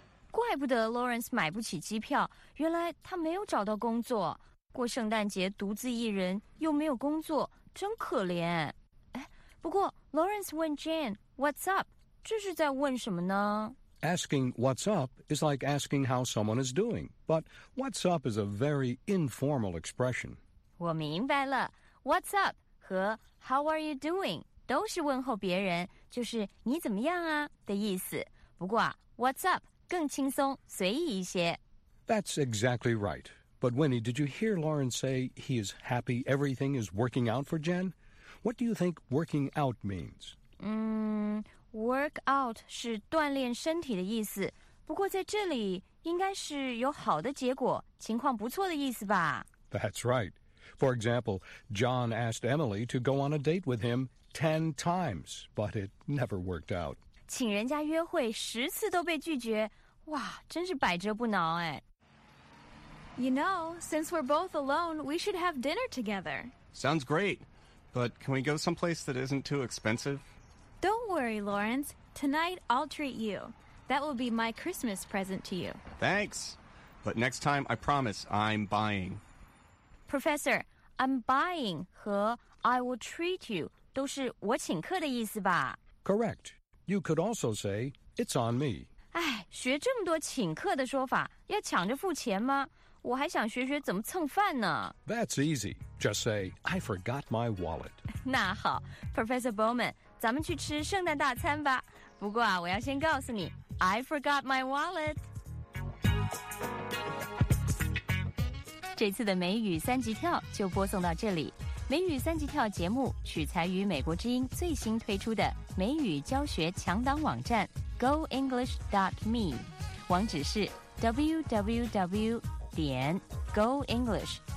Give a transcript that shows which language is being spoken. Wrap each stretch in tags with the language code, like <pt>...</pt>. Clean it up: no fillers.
<zh>怪不得 Lawrence 买不起机票，原来他没有找到工作。过圣诞节独自一人，又没有工作，真可怜。哎，不过 Lawrence 问 Jane,</zh> <en>what's up?</en> <zh>这是在问什么呢？</zh> <en>Asking what's up is like asking how someone is doing, but what's up is a very informal expression.</en> <zh>我明白了</zh> <en>What's up</en> <zh>和</zh> <en>how are you doing</en> <zh>都是问候别人，就是你怎么样啊的意思。不过啊</zh> <en>what's up</en> <zh>更轻松，随意一些。</zh> <en>That's exactly right. But Winnie, did you hear Lauren say he is happy everything is working out for Jen? What do you think working out means?</en> <zh>Work out 是锻炼身体的意思，不过在这里应该是有好的结果，情况不错的意思吧。</zh> <en>That's right. For example, John asked Emily to go on a date with him 10 times, but it never worked out.</en> <zh>请人家约会10次都被拒绝，哇，真是百折不挠哎。</zh> <en>You know, since we're both alone, we should have dinner together. Sounds great, but can we go someplace that isn't too expensive? Don't worry, Lawrence. Tonight, I'll treat you. That will be my Christmas present to you. Thanks. But next time, I promise, I'm buying.</en> <zh>Professor,</zh> <en>I'm buying</en> <zh>和</zh> <en>I will treat you</en> <zh>都是我请客的意思吧</zh> <en>Correct. You could also say, it's on me.</en> <zh>哎，学这么多请客的说法，要抢着付钱吗？我还想学学怎么蹭饭呢。</zh> <en>That's easy. Just say, I forgot my wallet.</en> <zh>那好 Professor Bowman,咱们去吃圣诞大餐吧。不过啊，我要先告诉你 ，</zh> <en>I forgot my wallet。</en> <zh>这次的美语三级跳就播送到这里。美语三级跳节目取材于美国之音最新推出的美语教学强档网站 GoEnglish.me， 网址是 www.goenglish.com。</zh>